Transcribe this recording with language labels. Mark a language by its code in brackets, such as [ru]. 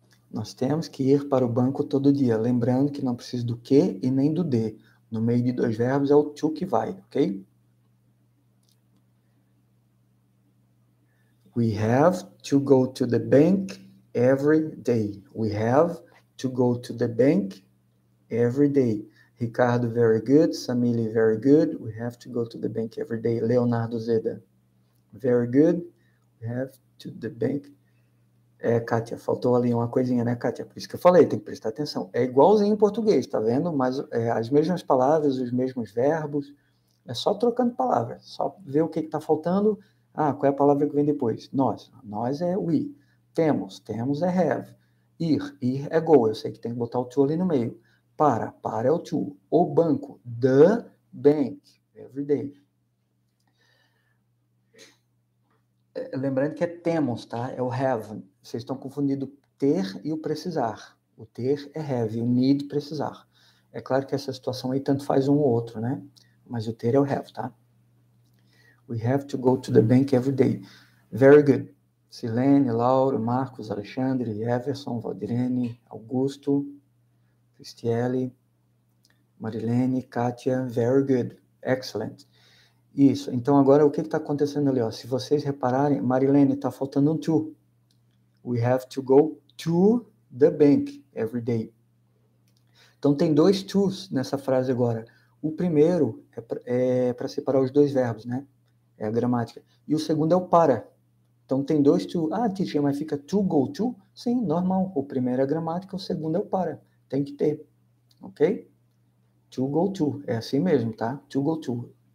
[pt] Nós temos que ir para o banco todo dia. Lembrando que não precisa do que e nem do de. No meio de dois verbos é o to que vai, ok? [en] We have to go to the bank every day. We have to go to the bank every day. Ricardo, very good. Samili, very good. We have to go to the bank every day. Leonardo Zeda, very good. We have to the bank. [pt] É, Kátia, faltou ali uma coisinha, né, Kátia? Por isso que eu falei, tem que prestar atenção. É igualzinho em português, tá vendo? Mas é, as mesmas palavras, os mesmos verbos. É só trocando palavras. Só ver o que está faltando. Ah, qual é a palavra que vem depois? Nós. Nós é we. Temos. Temos é have. Ir. Ir é go. Eu sei que tem que botar o to ali no meio. Para. Para é o to. O banco. [en] The bank. Every day. [pt] Lembrando que é temos, tá? É o have. Vocês estão confundindo ter e o precisar. O ter é have. O need, precisar. É claro que essa situação aí tanto faz um ou outro, né? Mas o ter é o have, tá? [en] We have to go to the bank every day. Very good. Silene, Lauro, Marcos, Alexandre, Everson, Valdirene, Augusto, Cristiele. Marilene, Kátia, very good, excellent. [pt] Isso, então agora o que que está acontecendo ali? Ó? Se vocês repararem, Marilene, está faltando um to. [en] We have to go to the bank every day. [pt] Então tem dois to's nessa frase agora. O primeiro é para separar os dois verbos, né? É a gramática. E o segundo é o para. Então tem dois to. Ah, teacher, mas fica to go to? Sim, normal. O primeiro é a gramática, o segundo é o para. Tem que ter. Ok? To go to. É assim mesmo, tá? To go to.